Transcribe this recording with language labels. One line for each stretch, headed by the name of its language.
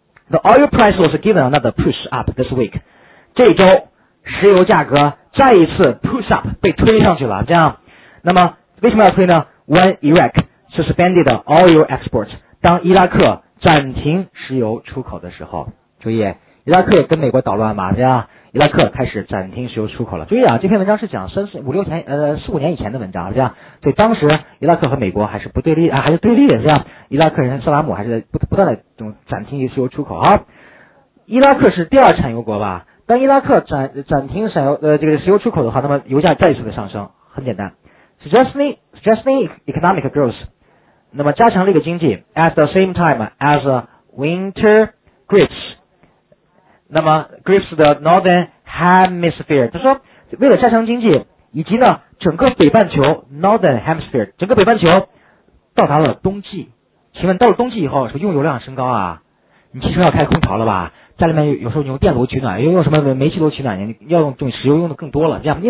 English: The oil price was given another push up this week.
Chinese: 这一周石油价格再一次 push up 被推上去了，这样。那么为什么要推呢？
English: When Iraq suspended oil exports，
Chinese: 当伊拉克暂停石油出口的时候，注意伊拉克也跟美国捣乱嘛，这样伊拉克开始暂停石油出口了。注意啊，这篇文章是讲四五年以前的文章，这样。所以当时伊拉克和美国还是不对立啊，还是对立的，这样。伊拉克人萨拉姆还是不断的这种暂停石油出口啊。伊拉克是第二产油国吧？当伊拉克暂停石油这个石油出口的话，那么油价再一次的上升，很简单。
English: Suggesting economic growth，
Chinese: 那么加强这个经济。
English: At the same time as winter grips。
Chinese: 那么 Grips 的 Northern Hemisphere， 他说为了加强经济以及呢整个北半球 Northern Hemisphere 整个北半球到达了冬季，请问到了冬季以后是不是用油量升高啊？你汽车要开空调了吧，家里面有时候你用电炉取暖，又用什么煤气炉取暖，你要用石油用的更多了，这样。